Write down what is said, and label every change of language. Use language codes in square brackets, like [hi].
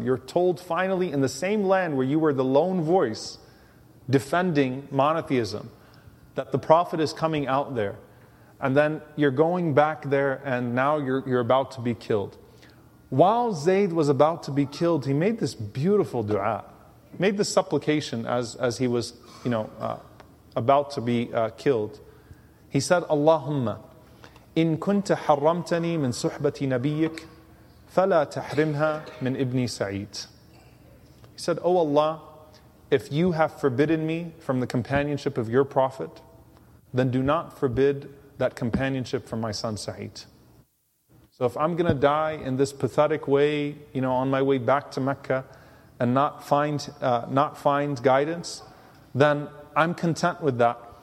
[en] You're told finally in the same land where you were the lone voice defending monotheism that the prophet is coming out there. And then you're going back there and now you're about to be killed. While Zayd was about to be killed, he made this beautiful dua, made this supplication as he was, about to be killed. He said, [ar] Allahumma, إن كنت حرمتني من صحبة نبيك فلا تحرمها من ابني سعيد. [en] He said, O Allah, if you have forbidden me from the companionship of your prophet, then do not forbid that companionship from my son Sa'id. So if I'm going to die in this pathetic way, on my way back to Mecca and not find guidance, then I'm content with that.